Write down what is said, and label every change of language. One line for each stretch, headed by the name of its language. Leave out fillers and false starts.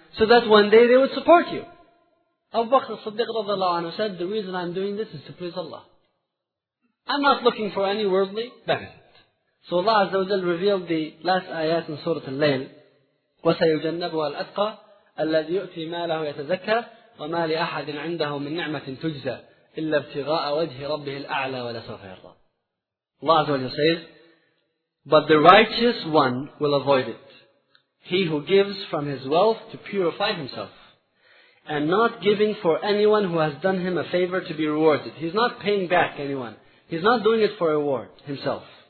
English: so that one day they would support you. Abu Bakr as-Siddiq radiallahu anhu said, the reason I'm doing this is to please Allah. I'm not looking for any worldly benefit. So Allah Azza wa Jalla revealed the last ayat in Surah Al-Layl,
Arabic: وَسَيُجَنَّبُهَا الْأَتْقَى الَّذِي يُؤْتِي مَالَهُ يَتَزَكَّى وَمَا لِأَحَدٍ عِنْدَهُ مِنْ نِعْمَةٍ تُجْزَى إِلَّا ابْتِغَاءَ وَجْهِ رَبِّهِ الْأَعْلَى وَلَسَوْفَ يَرْضَى.
English: Allah Azza wa Jalla says, but the righteous one will avoid it. He who gives from his wealth to purify himself, and not giving for anyone who has done him a favor to be rewarded. He's not paying back anyone. He's not doing it for reward himself.